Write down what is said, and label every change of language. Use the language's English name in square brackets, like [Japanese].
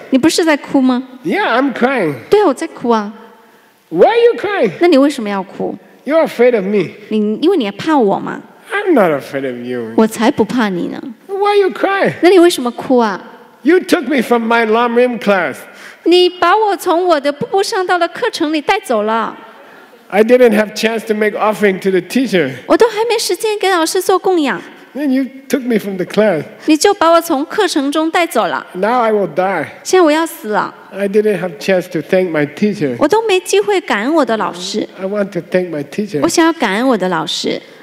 [Chinese] 你不是在哭吗? [English] Yeah, I'm crying. [Chinese] 对啊,我在哭啊。 [English] Why are you crying? [Chinese] 那你为什么要哭? [English] You're afraid of me. [Chinese] 因为你怕我吗? [English] I'm not afraid of you. [Chinese] 我才不怕你呢。 [English] Why are you crying? [Chinese] 那你为什么哭啊? [English] You took me from my Lam Rim class. [Chinese] 你把我从我的步步上道的课程里带走了。 [English] I didn't have chance to make offering to the teacher. [Chinese] 我都还没时间给老师做供养。 [English] Then you took me from the class. [Chinese] 你就把我从课程中带走了。 [English] Now I will die. [Chinese] 现在我要死了。 [English] I didn't have chance to thank my teacher. [Chinese] 我都没机会感恩我的老师。 [English] I want to thank my teacher. [Chinese] 我想要感恩我的老师。